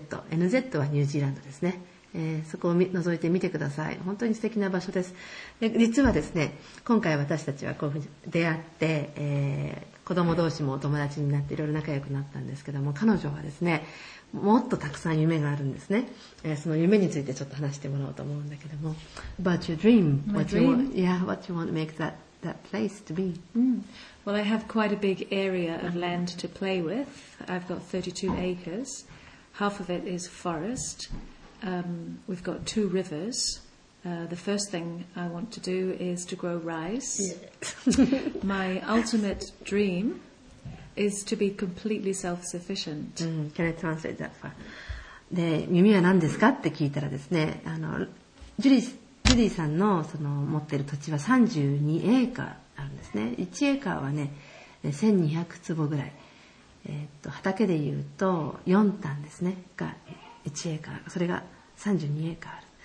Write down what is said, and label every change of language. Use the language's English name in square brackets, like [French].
[Japanese] nz はニュージーランドですね。そこを覗いてみてください。本当に素敵な場所です。で実はですね、今回私たちはこういうふうに出会って、子供同士もお友達になっていろいろ仲良くなったんですけども、彼女はですねもっとたくさん夢があるんですね。その夢についてちょっと話してもらおうと思うんだけども。 [English] About your dream. My dream? Yeah, what you want to make that place to be? Well, I have quite a big area of land to play with. I've got 32 acres. Half of it is forestWe've got two rivers. The first thing I want to do is to grow rice. Yeah. My ultimate dream is to be completely self-sufficient. Can I translate that for? [Japanese] で耳は何ですかって聞いたらですね、あのジュリーさん の, その持ってる土地は32エーカーあるんですね。 1エーカーはね1200坪ぐらい、畑でいうと4単ですねが1エーカー、それが32エーカーある。